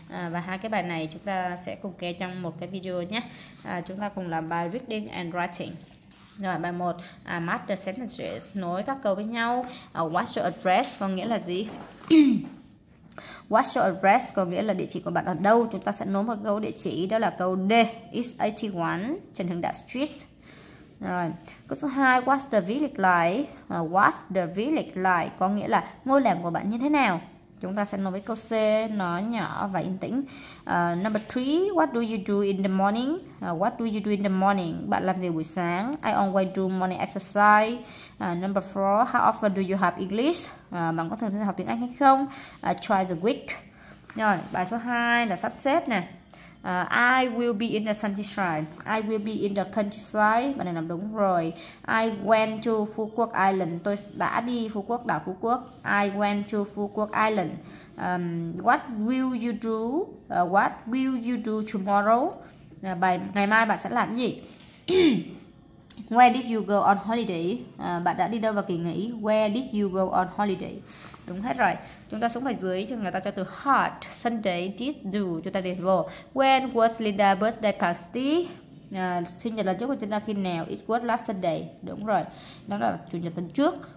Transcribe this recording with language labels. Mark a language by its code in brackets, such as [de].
[vi] Và hai cái bài này chúng ta sẽ cùng nghe trong một cái video nhé. Chúng ta cùng làm bài [en] reading and writing. [vi] Rồi, bài 1, [en] match the sentences, [vi] nối các câu với nhau. [en] What's your address [vi] có nghĩa là gì? What's your address có nghĩa là địa chỉ của bạn ở đâu? Chúng ta sẽ nối một câu địa chỉ, đó là câu D. [en] It's 81 Trần Hưng Đạo Street. [vi] Rồi, câu số 2, [en] what's the village like? [vi] What's the village like có nghĩa là ngôi làng của bạn như thế nào? Chúng ta sẽ nói với câu C, nó nhỏ và yên tĩnh. [en] Number 3, what do you do in the morning? What do you do in the morning? [vi] Bạn làm gì buổi sáng? [en] I always do morning exercise. Number 4, how often do you have English? [vi] Bạn có thường xuyên học tiếng Anh hay không? [en] Try the week. [vi] Rồi, bài số 2 là sắp xếp nè. [en] I will be in the countryside. I will be in the countryside. [vi] Bạn này làm đúng rồi. [en] I went to Phú Quốc Island. [vi] Tôi đã đi Phú Quốc, đảo Phú Quốc. [en] I went to Phú Quốc Island. What will you do? What will you do tomorrow? [vi] Bài ngày mai bạn sẽ làm gì? [en] Where did you go on holiday? [vi] Bạn đã đi đâu vào kỳ nghỉ? [en] Where did you go on holiday? [vi] Đúng hết rồi. Chúng ta xuống phải dưới cho người ta cho từ [en] hot, Sunday, did, do. [vi] Chúng ta điền vô. [en] When was Linda's birthday party? [vi] Sinh nhật lần trước của chúng ta khi nào? [en] It was last Sunday. [vi] Đúng rồi. Đó là chủ nhật tuần trước.